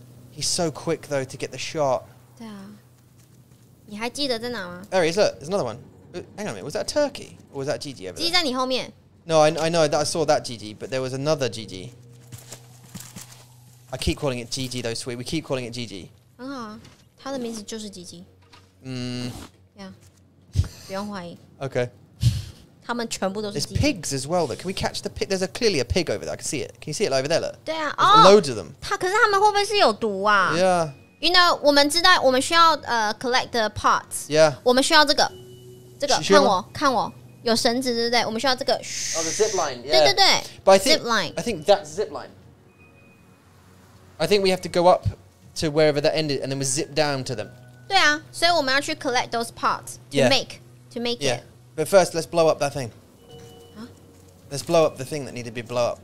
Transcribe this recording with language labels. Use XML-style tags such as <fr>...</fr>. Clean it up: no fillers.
<en>He's so quick though to get the shot.</en> <zh>对啊.你还记得在哪吗?</zh> <en>There he is, look. There's another one. Hang on a minute, was that a turkey? Or was that GG over there?</en> <zh>雞在你後面.</zh> <en>No, I know, that I saw that GG, but there was another GG. I keep calling it GG though, sweet. We keep calling it GG.</en> <zh>很好啊,他的名字就是GG.</zh> <en>Yeah,</en> <zh>不用懷疑.</zh> <en>Okay.</en> <zh>他們全部都是GG.</zh> <en>There's pigs as well, though. Can we catch the pig? There's clearly a pig over there, I can see it. Can you see it over there, look?</en> <zh>对啊,</zh> <en>there's loads of them.</en> <zh>可是他們會不會是有毒啊?</zh> <en>Yeah.</en> <zh>You know, 我們知道我們需要</zh> <en>collect the parts. Yeah.</en> <zh>我們需要這個. 这个看我 有绳子对不对 我们需要这个</zh> <en>Oh the zip line yeah.</en> <zh>对对对</zh> <en>But I think, I think that's zip line. I think we have to go up to wherever that ended and then we zip down to them.</en> <zh>对啊 所以我们要去</zh> <en>collect those parts to yeah. make yeah. it. But first let's blow up that thing. Huh? Let's blow up the thing that needed to be blow up.</en>